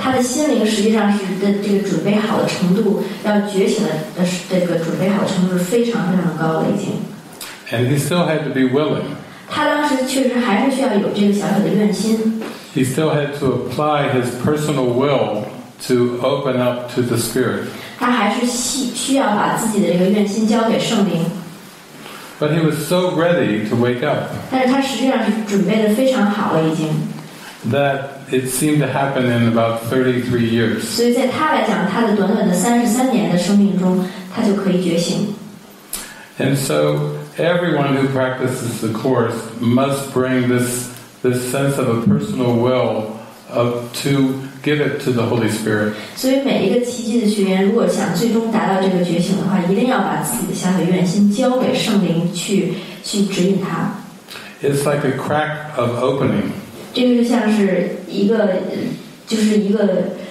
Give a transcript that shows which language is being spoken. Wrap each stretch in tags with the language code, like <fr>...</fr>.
<zh>他的心灵实际上是的这个准备好的程度，要觉醒的这个准备好的程度是非常非常高的已经。</zh> <en>And he still had to be willing.</en> <zh>他当时确实还是需要有这个小小的愿心。</zh> <en>He still had to apply his personal will to open up to the Spirit.</en> <zh>他还是需要把自己的这个愿心交给圣灵。</zh> <en>But he was so ready to wake up.</en> <zh>但是他实际上是准备的非常好了，已经。</zh> <en>That it seemed to happen in about 33 years.</en> <zh>所以在他来讲，他的短短的33年的生命中，他就可以觉醒。</zh> <en>And so everyone who practices the course must bring this. this sense of a personal will of, to give it to the Holy Spirit.</en> <zh>所以每一个奇迹的学员如果想最终达到这个觉醒的话一定要把自己的想法愿心交给圣灵 去指引他。</zh> <en>It's like a crack of opening.</en> <zh>这个就像是一个就是一个</zh>